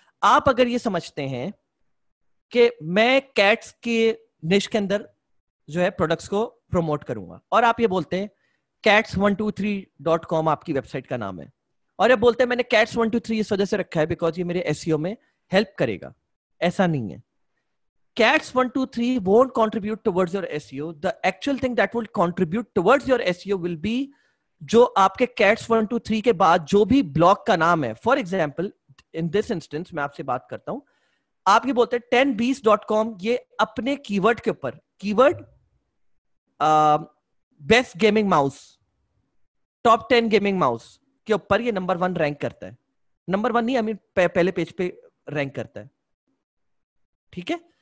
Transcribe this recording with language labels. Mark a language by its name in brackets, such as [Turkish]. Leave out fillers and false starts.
[Hindi] आप अगर ये समझते हैं कि मैं कैट्स के निश के अंदर जो है प्रोडक्ट्स को प्रमोट करूंगा, और आप ये बोलते हैं cats123.com आपकी वेबसाइट का नाम है, और ये बोलते हैं मैंने cats123 इस वजह से रखा है बिकॉज ये मेरे SEO में हेल्प करेगा, ऐसा नहीं है. [English] Cats123 won't contribute towards your SEO. The actual thing that will contribute towards your SEO will be [Hindi] जो आपके Cats123 के बाद जो भी ब्लॉक का नाम है. [English] For example, in this instance, [Hindi] मैं आपसे बात करता हूं, आप ये बोलते हैं 1020.com, ये अपने कीवर्ड के ऊपर, keyword best gaming mouse, 10 gaming mouse के ऊपर ये नंबर वन रैंक करता है, नंबर वन नहीं, [English] I mean [Hindi] पहले पेज पे रैंक करता है, ठीक है।